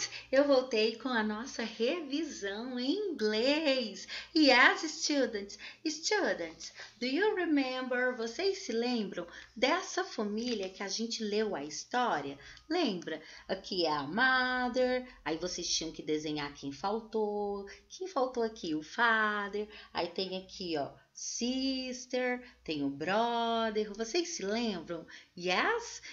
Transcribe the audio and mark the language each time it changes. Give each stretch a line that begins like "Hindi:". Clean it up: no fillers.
Portuguese: Eu voltei com a nossa revisão em inglês.
English: Yes, students. Students, do you remember?
Portuguese: Vocês se lembram dessa família que a gente leu a história? Lembra? Aqui é a mother. Aí vocês tinham que desenhar quem faltou. Quem faltou aqui? O father. Aí tem aqui, ó, sister, tem o brother, vocês se lembram? Yes?